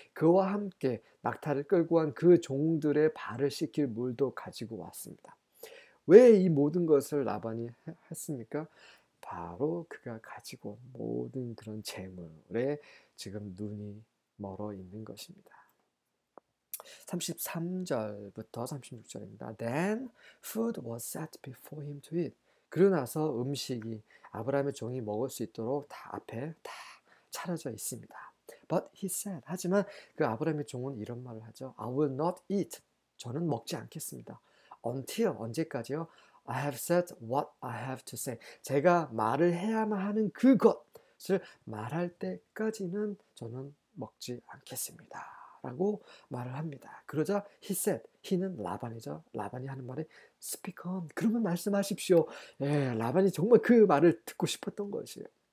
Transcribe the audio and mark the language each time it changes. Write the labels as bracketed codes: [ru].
[ko] 그와 함께 낙타를 끌고 한그 종들의 발을 씻길 물도 가지고 왔습니다. 왜이 모든 것을 라반이 했습니까? 바로 그가 가지고 온 모든 그런 재물에 지금 눈이 멀어 있는 것입니다. 33절부터 36절입니다. [en] Then food was set before him to eat. [ko] 그러고 나서 음식이 아브라함의 종이 먹을 수 있도록 다 앞에 다 차려져 있습니다. [en] But he said, [ko] 하지만 그 아브라함의 종은 이런 말을 하죠. [en] I will not eat. [ko] 저는 먹지 않겠습니다. [en] Until, [ko] 언제까지요? [en] I have said what I have to say. [ko] 제가 말을 해야만 하는 그것을 말할 때까지는 저는 먹지 않겠습니다. 라고 말을 합니다. 그러자 [en] he said, [ko] he는 라반이죠. 라반이 하는 말에 [en] speak on. [ko] 그러면 말씀하십시오. 예, 라반이 정말 그 말을 듣고 싶었던 것이에요.